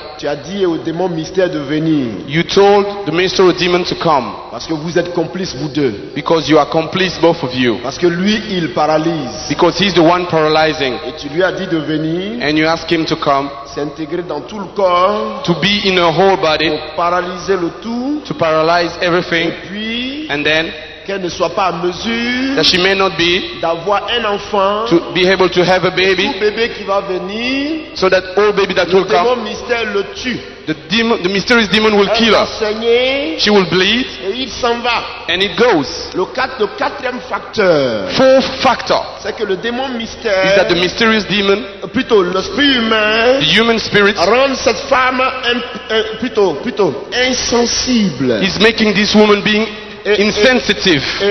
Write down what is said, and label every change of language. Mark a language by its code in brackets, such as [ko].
[fr] Tu as dit au démon mystère de venir. [en] You told the minister of demon to come. [fr] Parce que vous êtes complices vous deux. [en] Because you are complices both of you. [fr] Parce que lui il paralyse. [en] Because he's the one paralyzing. [fr] Et tu lui as dit de venir. [en] And you ask him to come. [fr] S'intégrer dans tout le corps. [en] To be in a whole body. [fr] Pour paralyser le tout. [en] To paralyze everything. [fr] Et puis, [en] And then, [fr] qu'elle ne soit pas à mesure [en] that she may not be [fr] d'avoir un enfant [en] to be able to have a baby, [fr] tout bébé qui va venir, [en] so that old baby that will come, [fr] le démon mystère le tue. [en] The mysterious demon will kill her. [fr] Saigner, [en] she will bleed. [fr] Et il s'en va. [en] And it goes. [fr] Le quatrième facteur. [en] Fourth factor. [fr] C'est que le démon mystère. [en] Is that the mysterious demon? [fr] Plutôt l'esprit humain. [en] The human spirit. [fr] Rend cette femme plutôt insensible. [en] Is making this woman being insensitive.